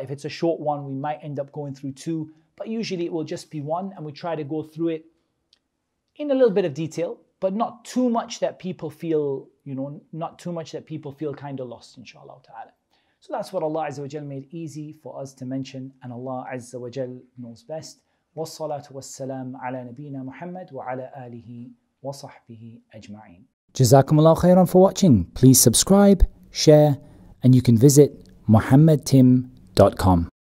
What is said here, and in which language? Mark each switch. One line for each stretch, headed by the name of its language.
English: If it's a short one, we might end up going through two. But usually it will just be one, and we try to go through it in a little bit of detail, but not too much that people feel, you know, not too much that people feel kind of lost, inshallah ta'ala. So that's what Allah Azza wa Jalla made easy for us to mention, and Allah Azza wa Jalla knows best.
Arabic: والصلاة والسلام على نبينا محمد وعلى آله وصحبه أجمعين. جزاكم الله خيرا
English: for watching. Please subscribe, share, and you can visit muhammadtim.com.